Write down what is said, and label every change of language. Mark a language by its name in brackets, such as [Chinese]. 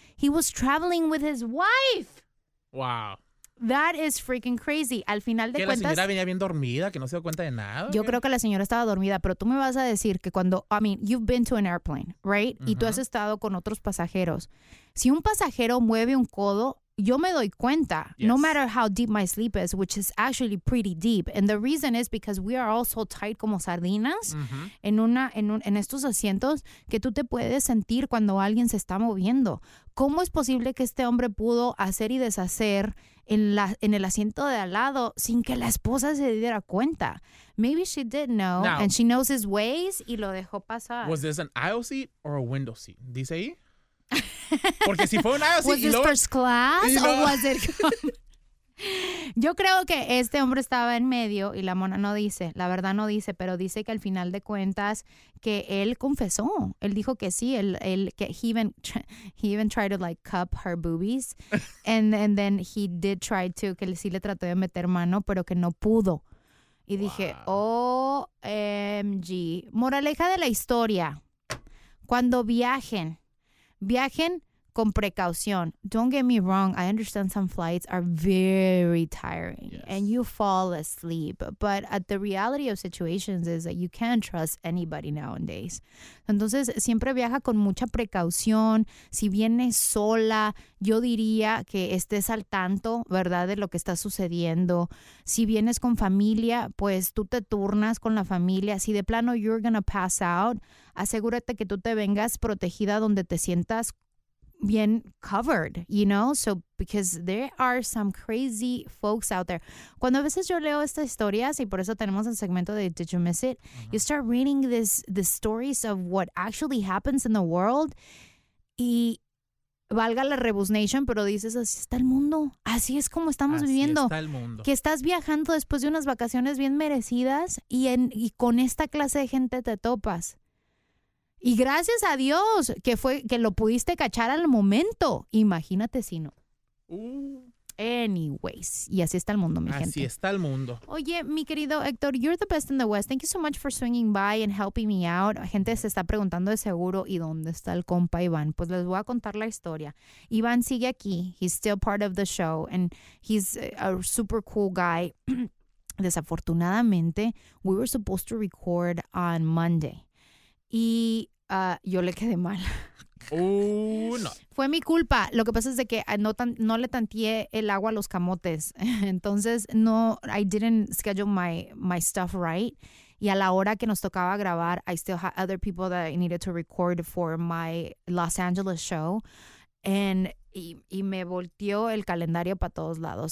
[English] He was traveling with his wife. Wow. That is freaking crazy. [Spanish] Al final de cuentas... Que la señora venía bien dormida, que no se dio cuenta de nada. Yo creo que la señora estaba dormida, pero tú me vas a decir que cuando... [English] I mean, you've been to an airplane, right? Uh-huh. [Spanish] Y tú has estado con otros pasajeros. Si un pasajero mueve un codo, yo me doy cuenta. [English] Yes. No matter how deep my sleep is, which is actually pretty deep. And the reason is because we are all so tight [Spanish] como sardinas [English] uh-huh. [Spanish] en estos asientos que tú te puedes sentir cuando alguien se está moviendo. ¿Cómo es posible que este hombre pudo hacer y deshacer... en el asiento de al lado sin que la esposa se diera cuenta? [English] Maybe she did know now, and she knows his ways [Spanish] y lo dejó pasar. [English] Was this an aisle seat or a window seat? [Spanish] Dice ahí. Porque si fue un [English] aisle seat. Was this first class or was it? [Spanish] Yo creo que este hombre estaba en medio y la mona no dice, la verdad no dice, pero dice que al final de cuentas que él confesó, él dijo que sí, él que [English] he even tried to like cup her boobies and then he did try to, [Spanish] que sí le trató de meter mano, pero que no pudo. Y wow. Dije, OMG. Moraleja de la historia, cuando viajen con precaución. [English] Don't get me wrong. I understand some flights are very tiring. Yes. And you fall asleep. But at the reality of situations is that you can't trust anybody nowadays. [Spanish] Entonces, siempre viaja con mucha precaución. Si vienes sola, yo diría que estés al tanto, ¿verdad?, de lo que está sucediendo. Si vienes con familia, pues tú te turnas con la familia. Si de plano [English] you're gonna pass out, [Spanish] asegúrate que tú te vengas protegida donde te sientas bien [English] covered, you know, so because there are some crazy folks out there. [Spanish] Cuando a veces yo leo estas historias, y por eso tenemos el segmento de Did You Miss It? [English] Uh-huh. You start reading the stories of what actually happens in the world, [Spanish] y valga la rebuznation, pero dices, así está el mundo, así es como estamos así viviendo. Está el mundo. Que estás viajando después de unas vacaciones bien merecidas y con esta clase de gente te topas. Y gracias a Dios que fue que lo pudiste cachar al momento. Imagínate si no. [English] Anyways, [Spanish] y así está el mundo, mi así gente. Así está el mundo. Oye, mi querido Héctor, [English] you're the best in the West. Thank you so much for swinging by and helping me out. [Spanish] Gente se está preguntando de seguro, ¿y dónde está el compa Iván? Pues les voy a contar la historia. Iván sigue aquí. [English] He's still part of the show and he's a super cool guy. [Spanish] Desafortunadamente, [English] we were supposed to record on Monday. [Spanish] Y yo le quedé mal. No. Fue mi culpa. Lo que pasa es de que no le tanteé el agua a los camotes. Entonces, no, [English] I didn't schedule my stuff right. [Spanish] Y a la hora que nos tocaba grabar, [English] I still had other people that I needed to record for my Los Angeles show. And [Spanish] y me volteó el calendario para todos lados.